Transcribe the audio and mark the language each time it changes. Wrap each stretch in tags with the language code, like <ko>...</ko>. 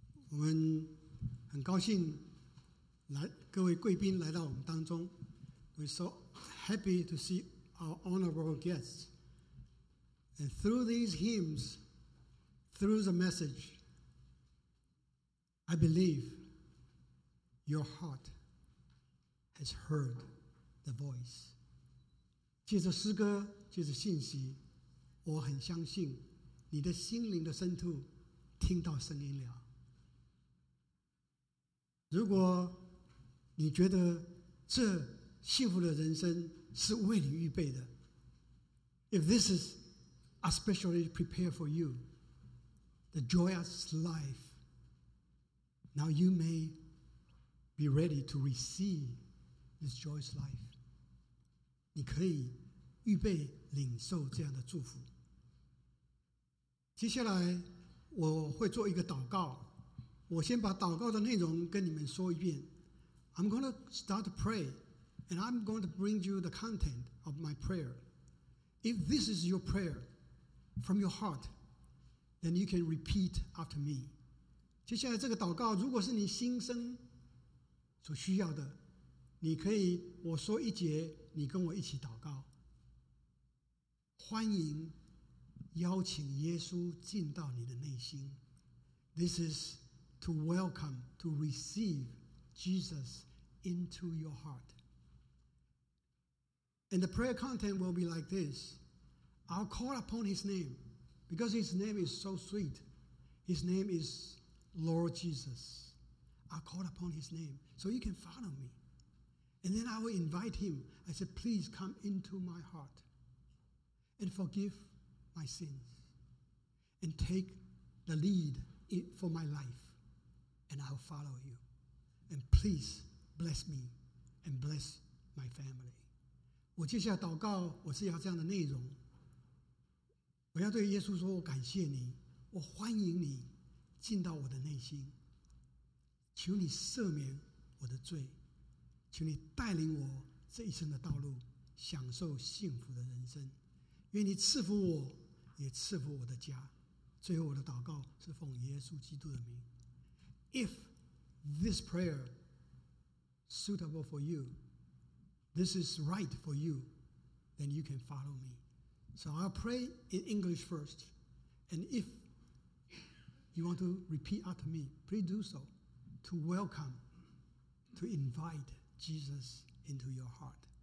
<zh>我们很高兴来各位贵宾来到我们当中。</zh> <en>We're so happy to see our honorable guests. And through these hymns, through the message, I believe your heart has heard the voice.</en> <zh>借着诗歌，借着信息，我很相信你的心灵的深处听到声音了。如果你觉得这幸福的人生是为你预备的，</zh> <en>If this is especially prepared for you， the joyous life. Now you may be ready to receive this joyous life.</en> <zh>你可以预备领受这样的祝福。接下来我会做一个祷告，我先把祷告的内容跟你们说一遍。</zh> <en>I'm going to start to pray and I'm going to bring you the content of my prayer. If this is your prayer from your heart, then you can repeat after me.</en> <zh>接下来这个祷告如果是你心声所需要的，你可以我说一节，你跟我一起祷告。欢迎邀请耶稣进到你的内心。</zh> <en>This is to welcome, to receive Jesus into your heart. And the prayer content will be like this. I'll call upon his name because his name is so sweet. His name is Lord Jesus. I'll call upon his name so you can follow me. And then I will invite him. I said, please come into my heart and forgive my sins and take the lead for my life and I'll follow you. And please bless me and bless my family.</en> <zh>我接下来祷告我是要这样的内容。我要对耶稣说，我感谢你，我欢迎你进到我的内心，求你赦免我的罪，求你带领我这一生的道路，享受幸福的人生。愿你赐福我，也赐福我的家。最后我的祷告是奉耶稣基督的名。</zh> <en>If this prayer suitable for you, this is right for you, then you can follow me. So I'll pray in English first, and if you want to repeat after me, please do so, to welcome, to invite Jesus into your heart.</en>